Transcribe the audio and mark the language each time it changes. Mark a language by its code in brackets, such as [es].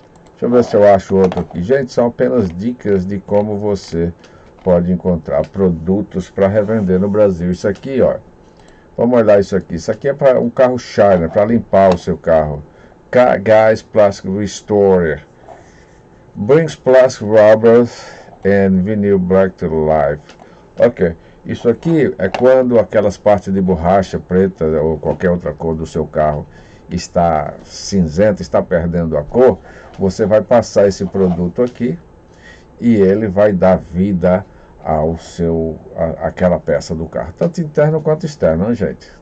[pt] Deixa eu ver se eu acho outro aqui. Gente, são apenas dicas de como você pode encontrar produtos para revender no Brasil. Isso aqui, ó. Vamos olhar isso aqui. Isso aqui é para um carro Shiner, para limpar o seu carro. [en] Guys Plastic Restorer. Brings Plastic Rubbers and vinyl black to life. [pt] Ok, isso aqui é quando aquelas partes de borracha preta ou qualquer outra cor do seu carro está cinzenta, está perdendo a cor, você vai passar esse produto aqui e ele vai dar vida ao seu aquela peça do carro, tanto interno quanto externo, hein, gente?